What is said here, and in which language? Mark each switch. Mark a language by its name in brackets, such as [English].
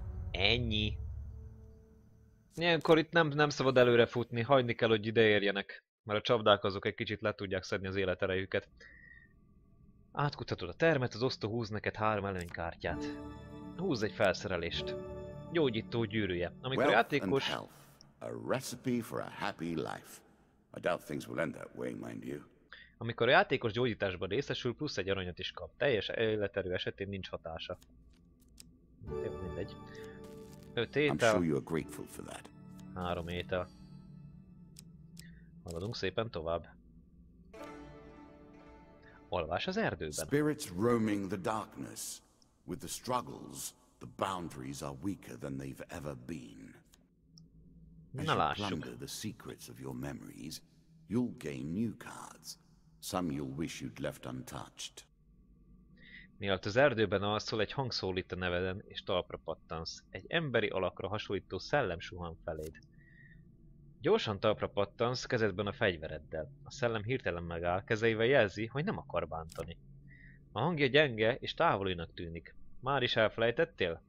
[Hungarian] Ennyi. Ilyenkor itt nem szabad előre futni, hagyni kell, hogy ideérjenek. Mert a csapdák azok egy kicsit le tudják szedni az életerejüket. Átkutatod a termet, az osztó húz neked 3 előnykártyát. Húz egy felszerelést. Gyógyító gyűrűje. Amikor játékos... [English] A recipe for a happy life. I doubt things will end that way, mind you. [Hungarian] Amikor a játékos gyógyításban részesül, plusz egy aranyat is kap. Teljes életerő esetén nincs hatása. Jó, mindegy. 5 étel. [English] I'm sure you're grateful for that. [Hungarian] 3 étel. Haladunk szépen tovább. Olvás az erdőben. [English] Spirits roaming the darkness. With the struggles, the boundaries are weaker than they've ever been. [Hungarian] Na lássuk. [English] As you plunder the secrets of your memories, you'll gain new cards. Some you'll wish you'd left untouched. [Hungarian] Mielőtt az erdőben alszol, egy hang szólít a neveden, és talpra pattansz. Egy emberi alakra hasonlító szellem suhan feléd. Gyorsan talpra pattansz, kezedben a fegyvereddel. A szellem hirtelen megáll, kezeivel jelzi, hogy nem akar bántani. A hangja gyenge és távolinak tűnik. Már is elfelejtettél?